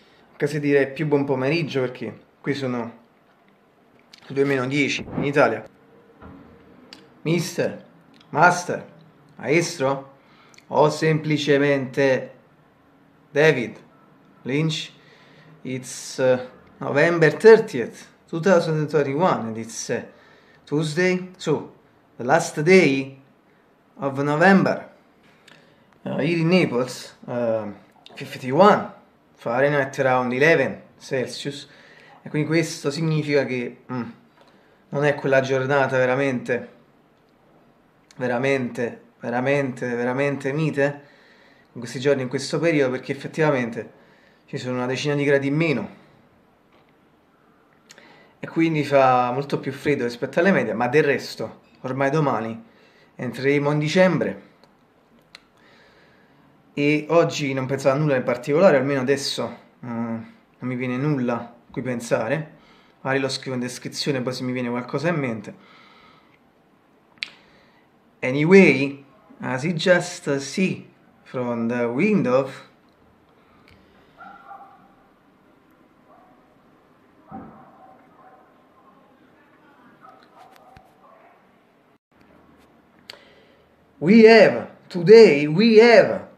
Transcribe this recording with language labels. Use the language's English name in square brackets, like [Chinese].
[Italian] Anche se direi più buon pomeriggio perché qui sono le 2 meno 10 in Italia. [English] Mister, master, [Italian] maestro o semplicemente [English] David Lynch, it's November 30th, 2021, and it's Tuesday, so the last day of November here in Naples. 51 Fahrenheit around 11 Celsius, [Italian] e quindi questo significa che non è quella giornata veramente, veramente, veramente, veramente mite in questi giorni, in questo periodo, perché effettivamente ci sono una decina di gradi in meno e quindi fa molto più freddo rispetto alle medie, ma del resto ormai domani entreremo in dicembre. E oggi non penso a nulla in particolare, almeno adesso non mi viene nulla a cui pensare. Magari lo scrivo in descrizione, poi se mi viene qualcosa in mente. [English] Anyway, as you just see from the window, we have.